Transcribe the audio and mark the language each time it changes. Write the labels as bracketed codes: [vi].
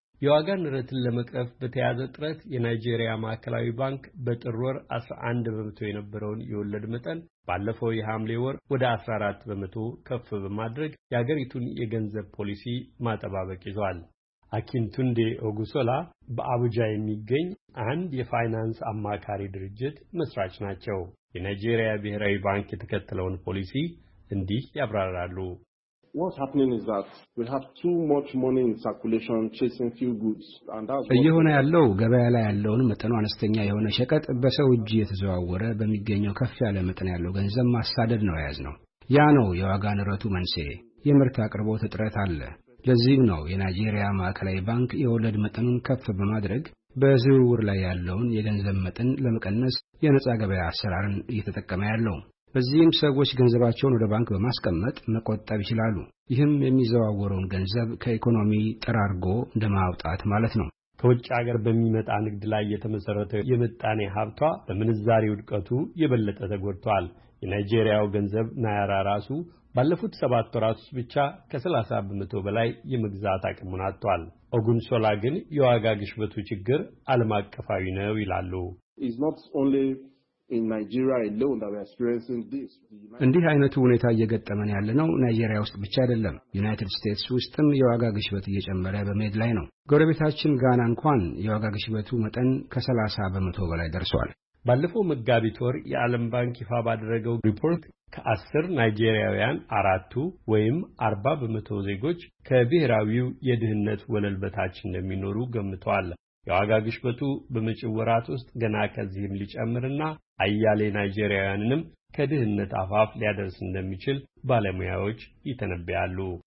[am] የዋጋ ንረትን ለመቀፍ በተያዘ ጥረት የናይጄሪያ ማዕከላዊ ባንክ በጥር ወር 11% የነበረውን የወለድ መጠን ባለፈው የሐምሌ ወር ወደ 14% ከፍ በማድረግ የሀገሪቱን የገንዘብ ፖሊሲ ማጠባበቅ ይዟል። አኪንቱንዴ ኦጉሶላ በአቡጃ የሚገኝ አንድ የፋይናንስ አማካሪ ድርጅት መስራች ናቸው። የናይጄሪያ ብሔራዊ ባንክ የተከተለውን ፖሊሲ እንዲህ ያብራራሉ። [en] What's happening is that we have too much money in circulation chasing few goods and that's [am] እየሆነ ያለው ገበያ ላይ ያለውን መጠን አነስተኛ የሆነ ሸቀጥ በሰው እጅ የተዘዋወረ በሚገኘው ከፍ ያለ መጠን ያለው ገንዘብ ማሳደድ ነው ያዝነው። ያ ነው የዋጋ ንረቱ መንስኤ። የምርት አቅርቦት እጥረት አለ። ለዚህ ነው የናይጄሪያ ማዕከላዊ ባንክ የወለድ መጠኑን ከፍ በማድረግ በዝውውር ላይ ያለውን የገንዘብ መጠን ለመቀነስ የነጻ ገበያ አሰራርን እየተጠቀመ ያለው። በዚህም ሰዎች ገንዘባቸውን ወደ ባንክ በማስቀመጥ መቆጠብ ይችላሉ። ይህም የሚዘዋወሩን ገንዘብ ከኢኮኖሚ ጥራርጎ እንደማውጣት ማለት ነው። ከውጭ ሀገር በሚመጣ ንግድ ላይ የተመሰረተ የምጣኔ ሀብቷ በምንዛሬ ውድቀቱ የበለጠ ተጎድቷል። የናይጄሪያው ገንዘብ ናያራ ራሱ ባለፉት 7 ወራት ውስጥ ብቻ ከ30% በላይ የመግዛት አቅሙን አጥቷል። ኦጉንሶላ ግን የዋጋ ግሽበቱ ችግር ዓለም አቀፋዊ ነው ይላሉ። [en] It's not only in Nigeria alone that we are experiencing this. [am] እንዲህ አይነቱ ሁኔታ እየገጠመን ያለ ነው ናይጄሪያ ውስጥ ብቻ አይደለም። ዩናይትድ ስቴትስ ውስጥም የዋጋ ግሽበት እየጨመረ በመሄድ ላይ ነው። ጎረቤታችን ጋና እንኳን የዋጋ ግሽበቱ መጠን ከ30% በላይ ደርሷል። ባለፈው መጋቢት ወር የዓለም ባንክ ይፋ ባደረገው ሪፖርት ከ10 ናይጄሪያውያን 4ቱ ወይም 40% ዜጎች ከብሔራዊው የድህነት ወለል በታች እንደሚኖሩ ገምቷል። የዋጋ ግሽበቱ በመጪው ወራት ውስጥ ገና ከዚህም ሊጨምርና አያሌ ናይጄሪያውያንንም ከድህነት አፋፍ ሊያደርስ እንደሚችል ባለሙያዎች ይተነብያሉ።